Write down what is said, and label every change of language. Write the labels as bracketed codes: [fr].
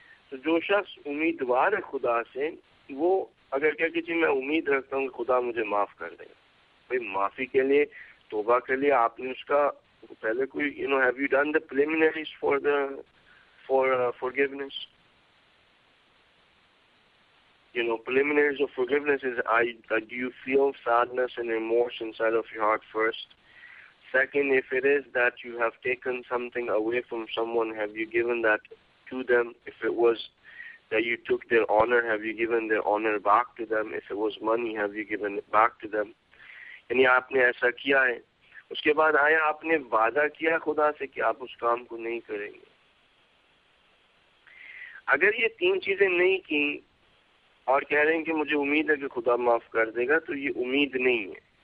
[ur] تو جو شخص امیدوار ہے خدا سے وہ اگر کہہ کہ جی میں امید رکھتا ہوں کہ خدا مجھے معاف کر دے گا, بھائی معافی کے لیے توبہ کے لیے آپ نے اس کا پہلے کوئی, [en] You know have you done the preliminaries for the for forgiveness. You know, preliminaries of forgiveness is do you feel sadness and remorse inside of your heart first? Second, if it is that you have taken something away from someone, have you given that to them? If it was that you took their honor, have you given their honor back to them? If it was money, have you given it back to them? [ur] یعنی آپ نے ایسا کیا ہے. اس کے بعد آیا آپ نے وعدہ کیا خدا سے کہ آپ اس کام کو نہیں کریں گے. اگر یہ تین چیزیں نہیں کی اور کہہ رہے ہیں کہ مجھے امید ہے کہ خدا معاف کر دے گا, تو یہ امید نہیں ہے.